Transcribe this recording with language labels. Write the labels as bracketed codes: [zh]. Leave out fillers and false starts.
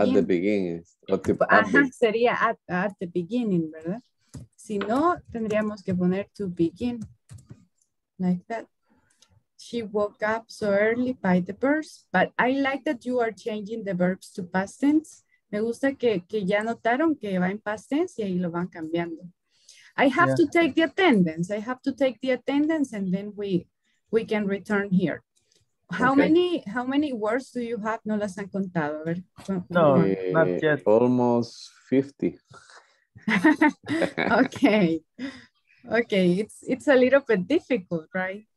[en] At the beginning. [es] Sería [en] at the beginning, [es] ¿verdad? Si no, tendríamos que poner [en] to begin. Like that. She woke up so early by the verbs. But I like that you are changing the verbs to past tense. [es] Me gusta que ya notaron que va en past tense y ahí lo van cambiando. [en] I have to take the attendance and then we can return here. How many words do you have? [es] No las han contado, a ver. [en] No, not yet. Almost 50. Okay. It's a little bit difficult, right?